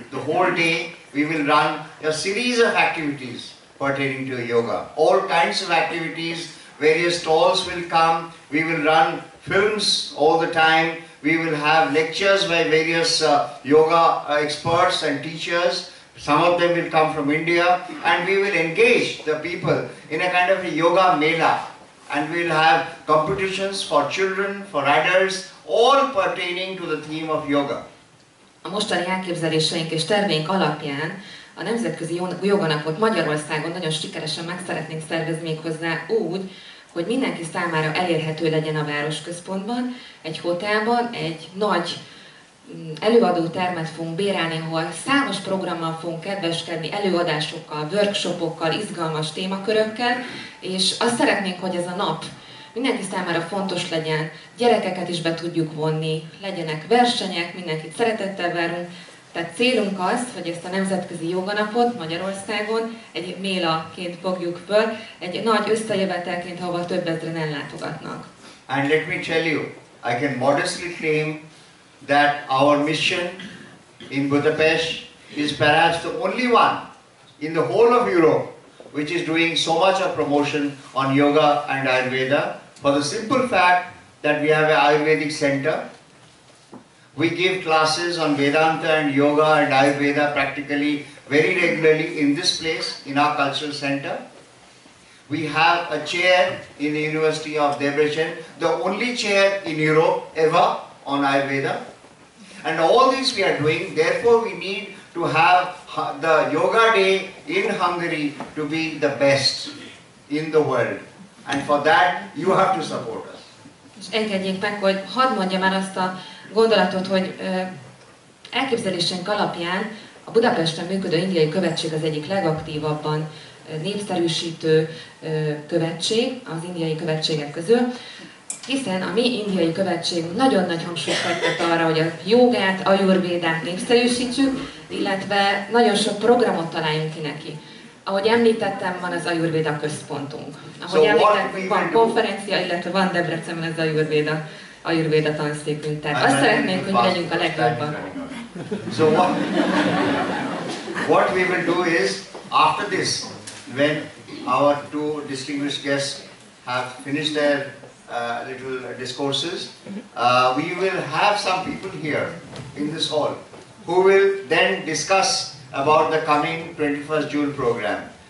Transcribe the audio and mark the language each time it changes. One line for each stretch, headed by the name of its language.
English: The whole day we will run a series of activities pertaining to yoga, all kinds of activities, various stalls will come, we will run films all the time, we will have lectures by various yoga experts and teachers, some of them will come from India, and we will engage the people in a kind of a yoga mela, and we will have competitions for children, for adults, all pertaining to the theme of yoga.
Hungarian: A mostani elképzeléseink és terveink alapján a Nemzetközi Joganapot Magyarországon nagyon sikeresen meg szeretnénk szervezni még hozzá úgy, hogy mindenki számára elérhető legyen a városközpontban, egy hotelban, egy nagy előadó termet fogunk bérelni, ahol számos programmal fogunk kedveskedni, előadásokkal, workshopokkal, izgalmas témakörökkel, és azt szeretnénk, hogy ez a nap mindenki számára fontos legyen, gyerekeket is be tudjuk vonni, legyenek versenyek, mindenkit szeretettel várunk. Tehát célunk az, hogy ezt a Nemzetközi Joganapot Magyarországon egy mélaként fogjuk föl, egy nagy összejövetelként, ahova több ezeren ellátogatnak.
English: And let me tell you, I can modestly claim that our mission in Budapest is perhaps the only one in the whole of Europe which is doing so much of promotion on yoga and Ayurveda, for the simple fact that we have an Ayurvedic center. We give classes on Vedanta and yoga and Ayurveda practically very regularly in this place, in our cultural center. We have a chair in the University of Debrecen, the only chair in Europe ever on Ayurveda. And all these we are doing, therefore we need to have the yoga day in Hungary to be the best in the world. And for that, you have to support us.
Hungarian: És engedjék meg, hogy hadd mondjam el azt a gondolatot, hogy elképzelésünk alapján a Budapesten működő indiai követség az egyik legaktívabban népszerűsítő követség az indiai követségek közül. Hiszen a mi indiai követség nagyon nagy hangsúlyt fektet arra, hogy a jogát, ajurvédát népszerűsítsük, illetve nagyon sok programot találjunk ki neki. Ahogy említettem, van az ajurvéda központunk. Ahogy említettem, van konferencia, illetve van Debrecenben az ajurvéda tanszékünk. Tehát azt szeretnénk, hogy legyünk a legjobban.
English: So what we will do is, after this, when our two distinguished guests have finished their little discourses, we will have some people here in this hall who will then discuss about the coming 21st June program.